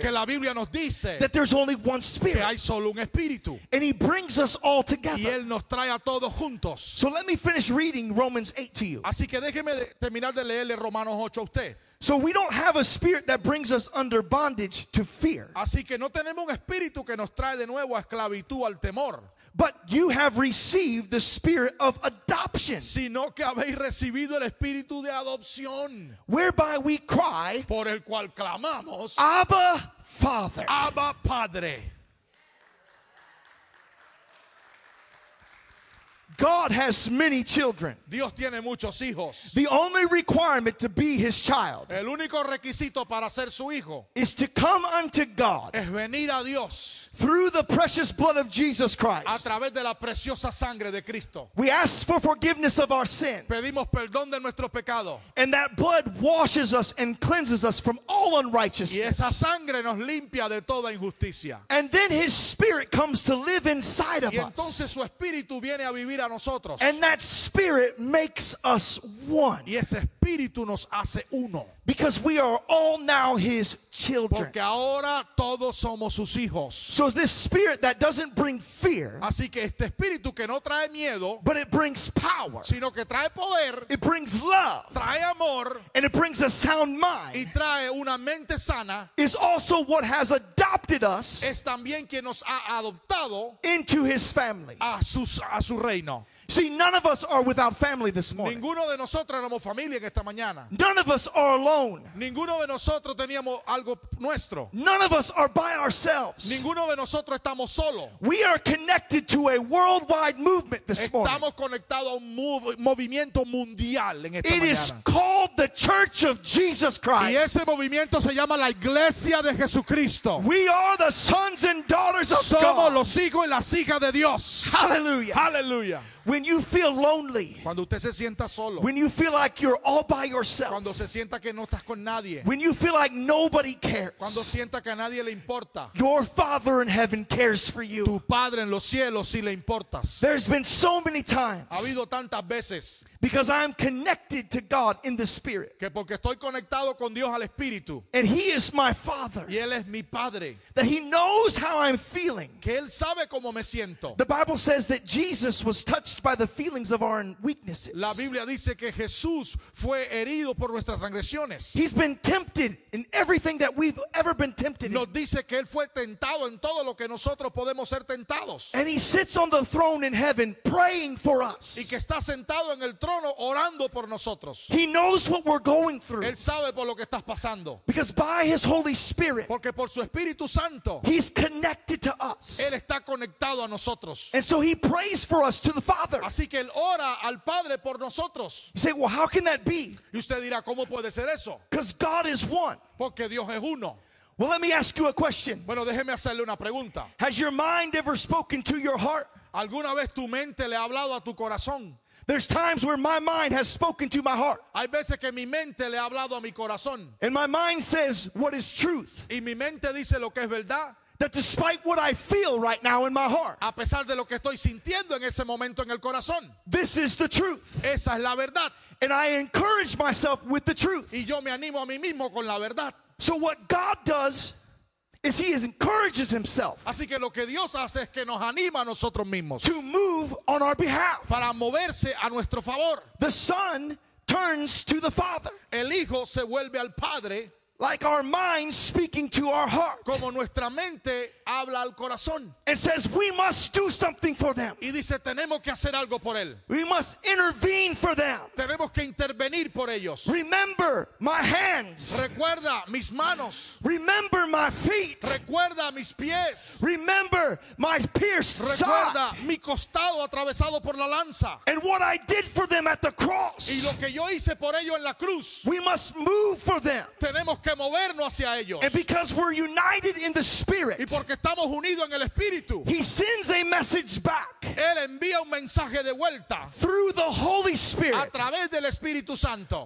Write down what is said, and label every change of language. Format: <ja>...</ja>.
<es>porque la Biblia nos dice,</es> <en>that there's only one Spirit,</en> <es>que hay solo un Espíritu,</es> <en>and He brings us all together.</en> <es>Y Él nos trae a todos juntos.</es> <en>So let me finish reading Romans 8 to you.</en> <es>Así que déjeme terminar de leerle Romanos 8 a usted.</es> <en>So we don't have a spirit that brings us under bondage to fear.</en> <es>Así que no tenemos un espíritu que nos trae de nuevo a esclavitud al temor.</es> <en>But you have received the spirit of adoption.</en> <es>Sino que habéis recibido el espíritu de adopción.</es> <en>Whereby we cry,</en> <es>por el cual clamamos,</es> <en>Abba Father.</en> <es>Abba Padre.</es> <en>God has many children.</en> <es>Dios tiene muchos hijos.</es> <en>The only requirement to be his child,</en> <es>el único requisito para ser su hijo,</es> <en>is to come unto God,</en> <es>es venir a Dios,</es> <en>through the precious blood of Jesus Christ,</en> <es>a través de la preciosa sangre de Cristo.</es> <en>We ask for forgiveness of our sin,</en> <es>pedimos perdón de nuestro pecado,</es> <en>and that blood washes us and cleanses us from all unrighteousness,</en> <es>y esa sangre nos limpia de toda injusticia.</es> <en>And then his spirit comes to live inside of</en> <es>y entonces</es> <en>us</en> <es>su espíritu viene a vivir.</es> <en>And that spirit makes us one.</en> <es>Y ese espíritu nos hace uno.</es> <en>Because we are all now his children.</en> <es>Porque ahora todos somos sus hijos.</es> <en>So this spirit that doesn't bring fear,</en> <es>así que este espíritu que no trae miedo,</es> <en>but it brings power,</en> <es>sino que trae poder,</es> <en>it brings love,</en> <es>trae amor,</es> <en>and it brings a sound mind,</en> <es>y trae una mente sana,</es> <en>is also what has adopted us,</en> <es>es también quien nos ha adoptado,</es> <en>into his family,</en> <es>a su reino.</es> <en>See, none of us are without family this morning.</en> <es>Ninguno de nosotros éramos familia en esta mañana.</es> <en>None of us are alone.</en> <es>Ninguno de nosotros teníamos algo nuestro.</es> <en>None of us are by ourselves.</en> <es>Ninguno de nosotros estamos solo.</es> <en>We are connected to a worldwide movement this</en> <es>estamos</es> <en>morning.</en> <es>Estamos conectados a un movimiento mundial en esta</es> <en>it</en> <es>mañana.</es> <en>It is called the Church of Jesus Christ.</en> <es>Y ese movimiento se llama la Iglesia de Jesucristo.</es> <en>We are the sons and daughters of</en> <es>somos</es> <en>God.</en> <es>Somos los hijos y las hijas de Dios.</es> <en>Hallelujah.</en> <es>Hallelujah.</es> <en>When you feel lonely,</en> <es>cuando usted se sienta solo,</es> <en>when you feel like you're all by yourself,</en> <es>cuando se sienta que no estás con nadie,</es> <en>when you feel like nobody cares,</en> <es>cuando sienta que a nadie le importa,</es> <en>your Father in heaven cares for you.</en> <es>Tu Padre en los cielos sí le importas.</es> <en>There's been so many times,</en> <es>ha habido tantas veces,</es> <en>because I am connected to God in the Spirit,</en> <es>que porque estoy conectado con Dios al Espíritu,</es> <en>and He is my Father,</en> <es>y Él es mi Padre,</es> <en>that He knows how I'm feeling,</en> <es>que Él sabe cómo me siento.</es> <en>The Bible says that Jesus was touched by the feelings of our weaknesses.</en> <es>La Biblia dice que Jesús fue herido por nuestras transgresiones.</es> <en>He's been tempted in everything that we've ever been tempted</en> <es>in. Nos dice que él fue tentado en todo lo que nosotros podemos ser tentados.</es> <en>And he sits on the throne in heaven praying for us.</en> <es>Y que está sentado en el trono orando por nosotros.</es> <en>He knows what we're going through.</en> <es>Él sabe por lo que estás pasando.</es> <en>Because by his Holy Spirit,</en> <es>porque por su Espíritu Santo,</es> <en>he's connected to us.</en> <es>Él está conectado a nosotros.</es> <en>And so he prays for us to the Father.</en> <es>Así que él ora al Padre por nosotros.</es> <en>You say, well, how can that be?</en> <es>Y usted dirá, ¿cómo puede ser eso?</es> <en>Because God is one.</en> <es>Porque Dios es uno.</es> <en>Well, let me ask you a question.</en> <es>Bueno, déjeme hacerle una pregunta.</es> <en>Has your mind ever spoken to your heart?</en> <es>¿Alguna vez tu mente le ha hablado a tu corazón?</es> <en>There's times where my mind has spoken to my heart.</en> <es>Hay veces que mi mente le ha hablado a mi corazón.</es> <en>And my mind says, what is truth?</en> <es>Y mi mente dice lo que es verdad.</es> <en>That despite what I feel right now in my heart,</en> <es>a pesar de lo que estoy sintiendo en ese momento en el corazón,</es> <en>this is the truth.</en> <es>Esa es la verdad.</es> <en>And I encourage myself with the truth.</en> <es>Y yo me animo a mí mismo con la verdad.</es> <en>So what God does is he encourages himself.</en> <es>Así que lo que Dios hace es que nos anima a nosotros mismos.</es> <en>To move on our behalf.</en> <es>Para moverse a nuestro favor.</es> <en>The Son turns to the Father.</en> <es>El Hijo se vuelve al Padre.</es> <en>Like our mind speaking to our heart.</en> <es>Como nuestra mente habla al corazón.</es> <en>And says we must do something for them.</en> <es>Y dice tenemos que hacer algo por él.</es> <en>We must intervene for them.</en> <es>Tenemos que intervenir por ellos.</es> <en>Remember my hands.</en> <es>Recuerda mis manos.</es> <en>Remember my feet.</en> <es>Recuerda mis pies.</es> <en>Remember my pierced side.</en> <es>Recuerda mi costado atravesado por la lanza.</es> <en>And what I did for them at the cross.</en> <es>Y lo que yo hice por ellos en la cruz.</es> <en>We must move for them.</en> <es>Tenemos que movernos hacia ellos.</es> <en>And because we're united in the Spirit.</en> <es>Y porque estamos unidos en el Espíritu.</es> <en>He sends a message back.</en> <es>Él envía un mensaje de vuelta.</es> <en>Through the Holy Spirit.</en> <es>A través del Espíritu Santo.</es>